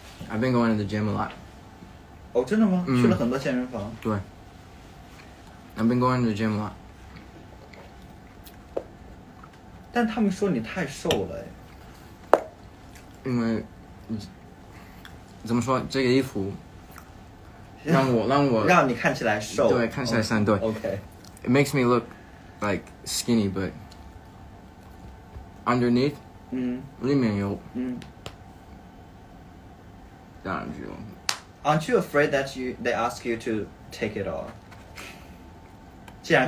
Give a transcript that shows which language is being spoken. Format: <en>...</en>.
<en>I've been going to the gym a lot.</en> <zh>哦，真的吗？去了很多健身房。对。</zh> <en>I've been going to the gym a lot.</en> <zh>但他们说你太瘦了、哎、因为怎么说这个衣服让我让你看起来瘦对看起来像、 oh, 对</zh> <en>OK It makes me look like skinny but underneath、嗯、</en> <zh>里面有、嗯、这样子</zh> <en>Aren't you afraid that you, they ask you to take it off</en> <zh>既然</zh>